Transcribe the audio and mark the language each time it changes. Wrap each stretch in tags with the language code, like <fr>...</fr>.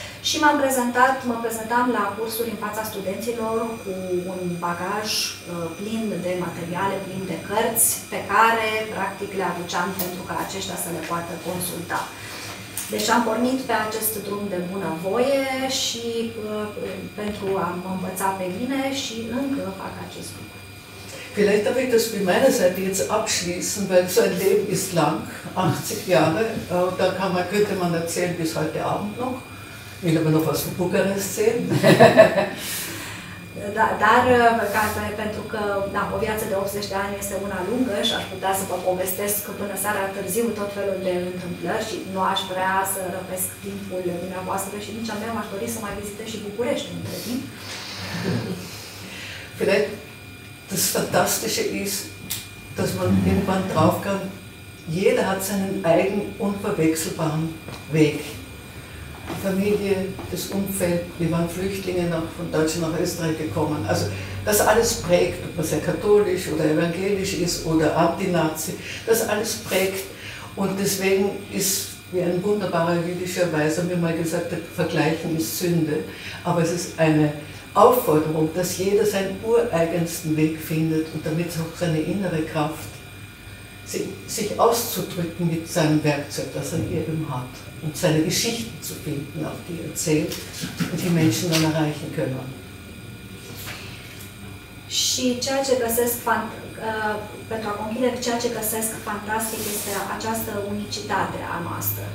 <ro>Și mă prezentam la cursuri în fața studenților cu un bagaj plin de materiale, plin de cărți, pe care, practic, le aduceam pentru ca aceștia să le poată consulta. Deci am pornit pe acest drum de bunăvoie și pentru a mă învăța pe mine și încă fac acest lucru.</ro> <de>Vielleicht darf ich das von meiner Seite jetzt abschließen, weil so ein Leben ist lang, 80 Jahre, da kann man, könnte man erzählen bis heute Abend noch. Ich will aber noch was von Bukarest sehen.</de> <ro>Dar, pentru că da, o viață de 80 de ani este una lungă și aș putea să vă povestesc până seara târziu tot felul de întâmplări și nu aș vrea să răpesc timpul dumneavoastră și nici a mea m-aș dori să mai vizitez și București între timp.</ro> <de>Vielleicht das Fantastische ist, dass man irgendwann drauf kann, jeder hat seinen eigenen unverwechselbaren Weg. Die Familie, das Umfeld, wir waren Flüchtlinge nach, von Deutschland nach Österreich gekommen. Also das alles prägt, ob man sehr katholisch oder evangelisch ist oder Anti-Nazi, das alles prägt. Und deswegen ist, wie ein wunderbarer jüdischer Weiser mir mal gesagt hat, Vergleichen ist Sünde. Aber es ist eine Aufforderung, dass jeder seinen ureigensten Weg findet und damit auch seine innere Kraft, sich auszudrücken mit seinem Werkzeug, das er eben hat. Und seine Geschichten zu finden, auch die erzählt und die Menschen dann erreichen können.</de> <ro>Și ceea ce găsesc pentru a conchide, ceea ce găsesc fantastic este această unicitate a noastră.</ro>